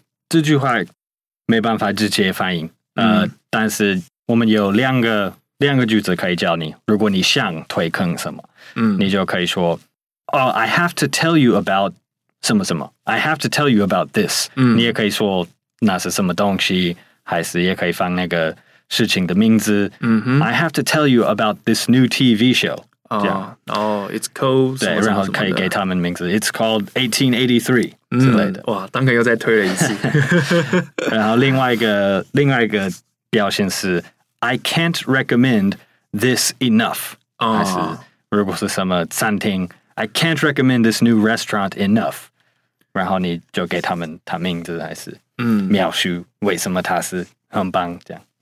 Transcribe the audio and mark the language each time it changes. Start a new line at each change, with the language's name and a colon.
Chinese: 这句话没办法直接翻译。但是我们有两个句子可以教你。如果你想推坑什么，你就可以说 ，
English: I have to tell you about
Chinese: 什么什么。
English: I have to tell you about this。
Chinese: 你也可以说那是什么东西，还是也可以放那个事情的名字。
English: I have to tell you about this new TV show. It's called
Chinese: 对，然后可以给他们名字。
English: It's called 1883
Chinese: 之类的。哇，Duncan又再推了一次。然后另外一个表现是
English: I can't recommend this enough、
Chinese: 哦、还是如果是什么餐厅
English: I can't recommend this new restaurant enough，
Chinese: 然后你就给他们他名字还是描述为什么他是很棒这样、